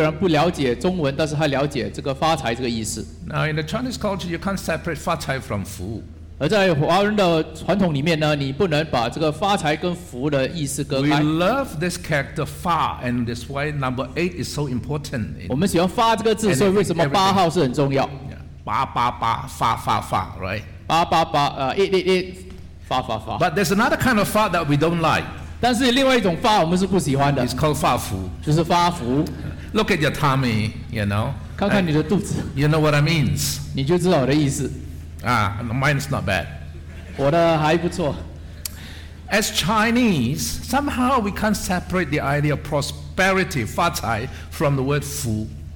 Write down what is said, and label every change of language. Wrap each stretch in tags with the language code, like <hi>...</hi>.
<zh>所以呢，我有一些外国的朋友，虽然不了解中文，但是他了解这个发财这个意思.</zh> <en>Now in the Chinese culture, you can't separate 发财 from 福.</en> <zh>而在华人的传统里面呢，你不能把这个发财跟福的意思割开。</zh> <en>We love this character Fa, and that's why number 8 is so important.</en> <zh>我们喜欢发这个字，所以为什么8号是很重要？</zh> <en>888, Fa, Fa, Fa, right?</en> <zh>888, 888, Fa, Fa, Fa.</zh> <en>But there's another kind of Fa that we don't like.</en> <zh>但是另外一种Fa我们是不喜欢的。</zh> <en>It's called Fa Fu.</en> <zh>就是发福。</zh> <en>Look at your tummy, you know.</en> <zh>看看你的肚子。</zh> <en>You know what that means.</en> <zh>你就知道我的意思。</zh> <en>Mine's not bad.</en> <zh>我的还不错.</zh> <en>As Chinese, somehow we can't separate the idea of prosperity, 发财, from the word 福.</en>